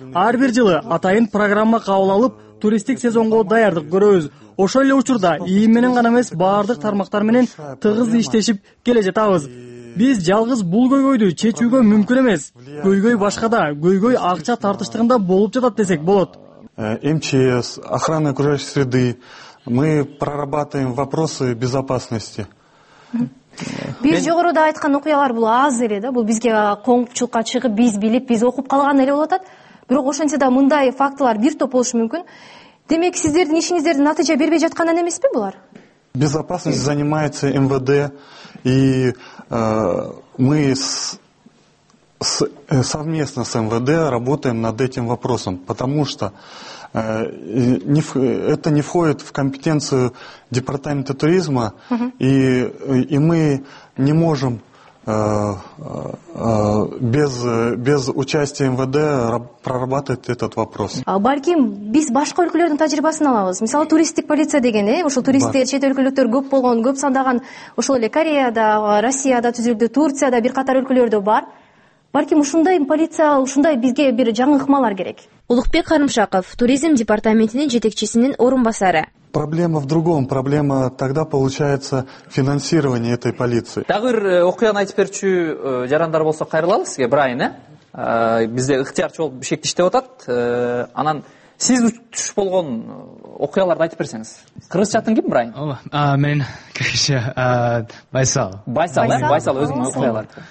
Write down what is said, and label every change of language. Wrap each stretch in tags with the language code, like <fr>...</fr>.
<ky>Ар бир жылы атайын программа кабыл алып, туристтик сезонго даярдык көрөбүз. Ошол эле учурда ИИМ менен гана эмес, баардык тармактар менен тыгыз иштешип келе жатабыз. Биз жалгыз бул көйгөйдү чечүүгө мүмкүн эмес. Көйгөй башкада, көйгөй акча тартыштыгында болуп жатат десек болот.</ky> <ru>МЧС, охрана окружающей среды. Мы прорабатываем вопросы безопасности.</ru> <ky>Биз жогоруда айткан окуялар бул аз эле да, бул бизге коомчулукка чыгып, биз билип, биз окуп калган эле болуп атат. Бирок ошентсе да мындай фактылар бир топ болушу мүмкүн. Демек сиздердин ишиңиздердин натыйжа бербей жаткандан эмеспи булар?</ky> <ru>Безопасность занимается МВД, и мы совместно с МВД работаем над этим вопросом, потому что это не входит в компетенцию департамента туризма, и мы не можем без участия МВД прорабатывать этот вопрос.</ru> <ky>Балким, биз башка өлкөлөрдүн тажрыйбасын алабыз. Мисалы, туристтик полиция деген, ошол туристтер, чет өлкөлүктөр көп болгон, көп сандаган, ошол эле Кореяда, Россияда түзүлдү, Турцияда бир катар өлкөлөрдө бар. Балким ушундай полиция, ушундай бизге бир жаңы ыкмалар керек. Улукбек Карымшаков, туризм департаментинин жетекчисинин орун басары.</ky> <ru>Проблема в другом. Проблема тогда получается финансирование этой полиции.</ru> <ky>Дагы окуяны айтып берчү жарандар болсо кайрылалы сизге, Брайан, бизде ыктыярчы болуп Бишкекте иштеп атат. Анан сиз түш болгон окуяларды айтып берсеңиз. Кыргыз чатын ким Брайан? Ооба, мен кыргызча Байсал. Байсал, Байсал өзүнүн окуялары.</ky>